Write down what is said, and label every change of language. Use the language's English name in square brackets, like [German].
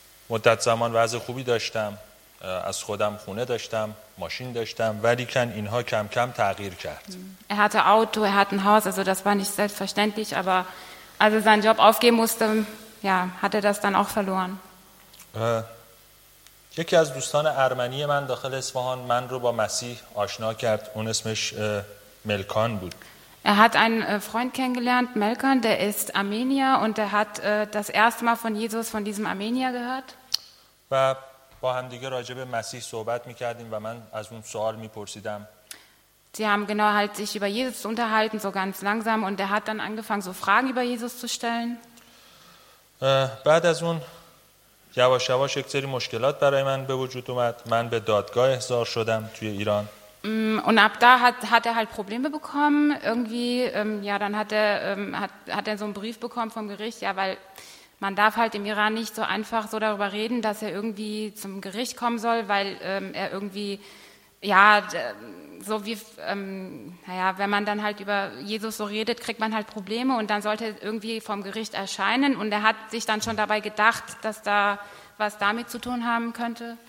[Persian] مدت زمان وضع خوبی داشتم، از خودم خونه داشتم، ماشین داشتم، ولی کن اینها کم کم تغییر کرد. [German] Er hatte Auto, er hatte ein Haus, also das war nicht selbstverständlich, aber als er seinen Job aufgeben musste, ja, hat er das dann auch verloren. [Persian] یکی از دوستان ارمنی من داخل اصفهان من رو با مسیح آشنا کرد، اون اسمش ملکان بود. [German] Er hat einen Freund kennengelernt, Melkan, der ist Armenier und er hat das erste Mal von Jesus, von diesem Armenier gehört. [Persian] و با هم دیگه راجع به مسیح صحبت می‌کردیم و من از اون سوال می‌پرسیدم. [German] Sie haben genau halt sich über Jesus unterhalten, so ganz langsam und er hat dann angefangen so Fragen über Jesus zu stellen. [Persian] بعد از اون یواش یواش یک سری مشکلات برای من به وجود اومد. من به دادگاه احضار شدم توی ایران. [German] Und ab da hat er halt Probleme bekommen, irgendwie, ja, dann hat er so einen Brief bekommen vom Gericht, ja, weil man darf halt im Iran nicht so einfach so darüber reden, dass er irgendwie zum Gericht kommen soll, weil er irgendwie, ja, so wie, naja, wenn man dann halt über Jesus so redet, kriegt man halt Probleme und dann sollte er irgendwie vom Gericht erscheinen und er hat sich dann schon dabei gedacht, dass da was damit zu tun haben könnte.